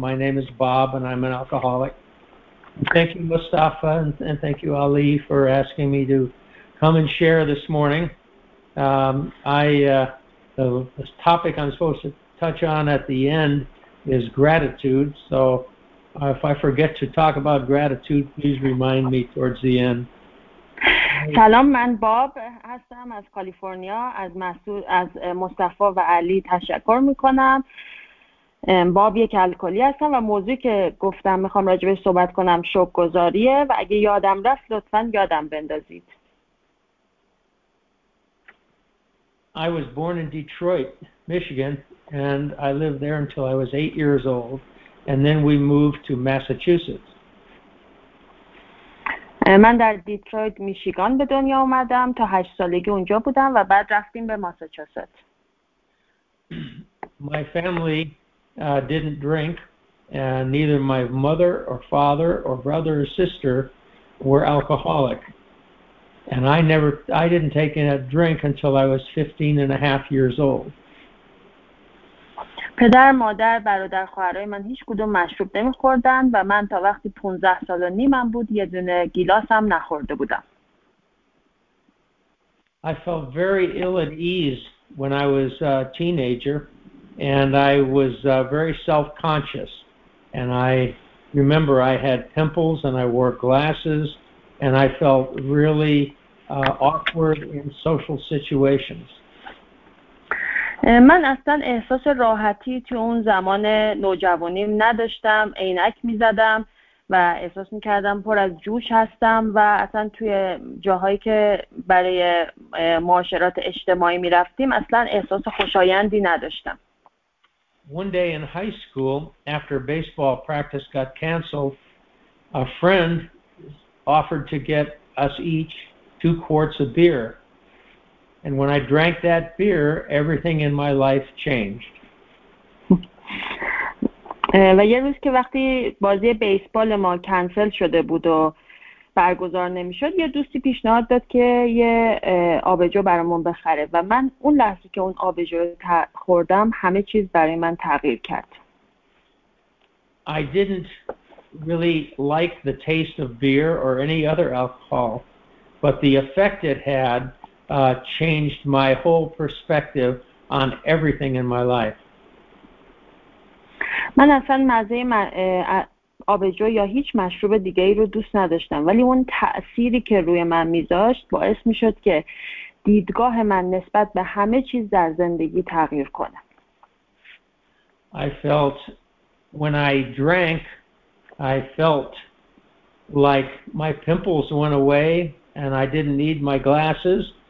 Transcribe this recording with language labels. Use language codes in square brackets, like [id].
[en] My name is Bob, and I'm an alcoholic. Thank you, Mustafa, and thank you, Ali, for asking me to come and share this morning. The topic I'm supposed to touch on at the end is gratitude, so if I forget to talk about gratitude, please remind me towards the end. [fa] سلام، من باب هستم از کالیفرنیا. از مصطفی و علی تشکر میکنم. باب یک الکلی هستم و موضوعی که گفتم میخوام راجبش صحبت کنم شوک‌گذاریه، و اگه یادم رفت لطفا یادم بندازید. [en] I was born in Detroit, Michigan. And I lived there until I was 8 years old, and then we moved to Massachusetts. [fa] من در دیترویت میشیگان به دنیا اومدم، تا 8 سالگی اونجا بودم و بعد رفتیم به ماساچوست. [en] My family didn't drink, and neither my mother or father or brother or sister were alcoholic. And I didn't take a drink until I was 15 and a half years old. [fa] پدر، مادر، برادر، خواهرای من هیچ کدوم مشروب نمی‌خوردن و من تا وقتی 15 سال و نیمم بود یه دونه گیلاس هم نخورده بودم. [en] I felt very ill at ease when I was a teenager, and I was very self-conscious. And I remember I had pimples and I wore glasses, and I felt really awkward in social situations. [fa] من اصلا احساس راحتی تو اون زمان نوجوانیم نداشتم، عینک می‌زدم و احساس می‌کردم پر از جوش هستم و اصلا توی جاهایی که برای معاشرات اجتماعی می‌رفتیم اصلا احساس خوشایندی نداشتم. [en] One day in high school, after baseball practice got canceled, a friend offered to get us each 2 quarts of beer. And when I drank that beer, everything in my life changed. [fa] و یه روز که وقتی بازی بیسبال ما کنسل شده بود و برگزار نمی‌شد، یه دوستی پیشنهاد داد که یه آبجو برامون بخره، و من اون لحظه که اون آبجو رو خوردم همه چیز برای من تغییر کرد. [en] I didn't really like the taste of beer or any other alcohol, but the effect it had changed my whole perspective on everything in my life. [fa] من اصلا مزه آبجو یا هیچ مشروب دیگه ای رو دوست نداشتم، ولی اون تأثیری که روی من میذاشت باعث میشد که دیدگاه من نسبت به همه چیز در زندگی تغییر کنه. [en] I felt when I drank, I felt like my pimples went away and I didn't need my glasses.